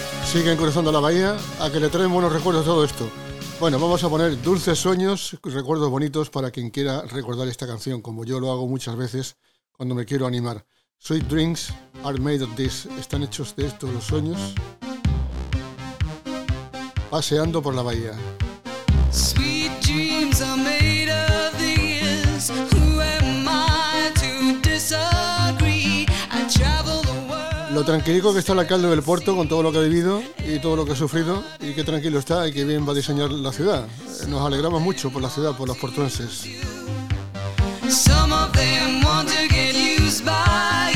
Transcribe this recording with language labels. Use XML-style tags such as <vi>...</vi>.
<es>siguen cruzando la bahía, a que le traen buenos recuerdos todo esto. Bueno, vamos a poner Dulces Sueños, recuerdos bonitos para quien quiera recordar esta canción, como yo lo hago muchas veces cuando me quiero animar.</es> <en>Sweet dreams are made of this.</en> <es>Están hechos de esto los sueños. Paseando por la bahía.</es> <en>Sweet dreams are made of this. Who am I to disagree? I travel the world.</en> <es>Lo tranquilico que está el alcalde del puerto con todo lo que ha vivido y todo lo que ha sufrido, y qué tranquilo está y qué bien va a diseñar la ciudad. Nos alegramos mucho por la ciudad, por los portuenses.</es> <en>Some of them want to get used by.</en>